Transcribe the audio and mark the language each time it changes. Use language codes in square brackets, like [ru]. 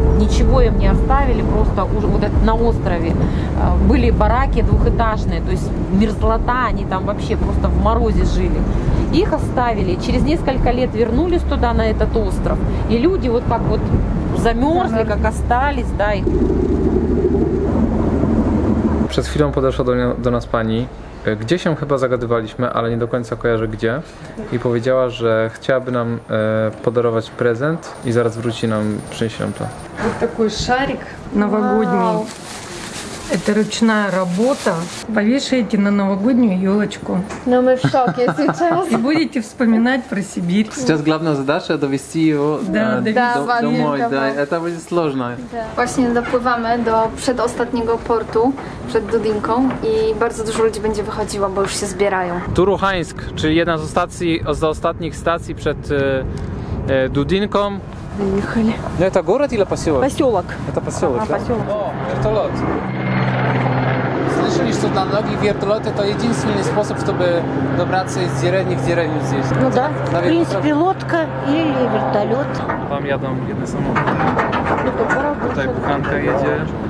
[ru] Ничего им не оставили, просто вот это, на острове. Были бараки двухэтажные, то есть мерзлота, они там вообще просто в морозе жили. Их оставили, через несколько лет вернулись туда, на этот остров. И люди вот как вот замерзли, как остались, да, их... [pl] Przed chwilą podeszła do nas pani, gdzie się chyba zagadywaliśmy, ale nie do końca kojarzę gdzie, i powiedziała, że chciałaby nam podarować prezent i zaraz wróci nam, przyniesie nam to. [ru] Вот такой шарик новогодний. Wow. Это ручная работа. Повешаете на новогоднюю елочку. Но мы в шоке сейчас. И будете вспоминать про Сибирь. Сейчас главная задача довести его домой. Да, это будет сложно. Да. [pl] Właśnie dopływamy do przedostatniego portu, przed Dudinką, i bardzo dużo ludzi będzie wychodziło, bo już się zbierają. Turuhańsk, czyli jedna z ostatnich stacji przed Dudinką. Wyjechali. No to [ru] город или поселок? Поселок. Это поселок, ага, да? Поселок. О, вертолет. Слышали, что на многих вертолеты это единственный способ, чтобы добраться из деревни в деревню здесь? Ну да. Да, в принципе, лодка или вертолет. Там я дам один самолет. Вот эта буханка едет.